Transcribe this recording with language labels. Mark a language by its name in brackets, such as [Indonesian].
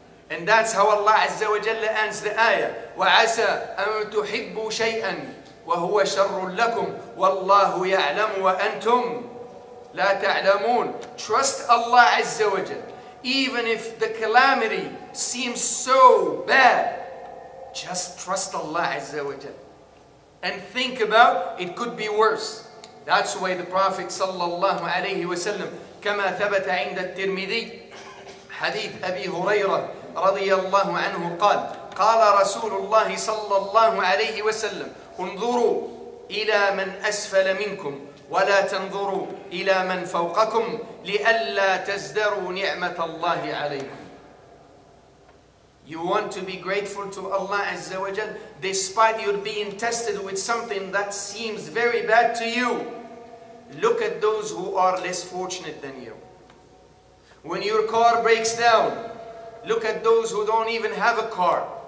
[English] And that's how Allah Azza wa Jalla ends the ayah. [Arabic] وَعَسَىٰ أَن تُحِبُّوا شَيْئًا وَهُوَ شَرٌّ لَكُمْ وَاللَّهُ يَعْلَمُ وَأَنْتُمْ لَا تَعْلَمُونَ. [English] Trust Allah Azza wa Jalla. Even if the calamity seems so bad, just trust Allah Azza wa Jalla. And think about it, could be worse. That's why the Prophet sallallahu alayhi wa sallam, [Arabic] كَمَا ثَبَتَ عِنْدَ التِّرْمِذِي حَدِيثَ أَبِي هُرَيْرَةَ رَضِيَ اللَّهُ عَنْهُ قَالَ قَالَ رَسُولُ اللَّهِ صَلَّى اللَّهُ عَلَيْهِ وَسَلَّمُ انظُرُوا إِلَى مَنْ أَسْفَلَ مِنْكُمْ وَلَا تَنظُرُوا إِلَى مَنْ فَوْقَكُمْ لِأَلَّا تَزْدَرُوا نِعْمَةَ اللَّهِ عَلَيْكُمْ. [English] You want to be grateful to Allah Azza wa Jal, despite you being tested with something that seems very bad to you. Look at those who are less fortunate than you. When your car breaks down, look at those who don't even have a car.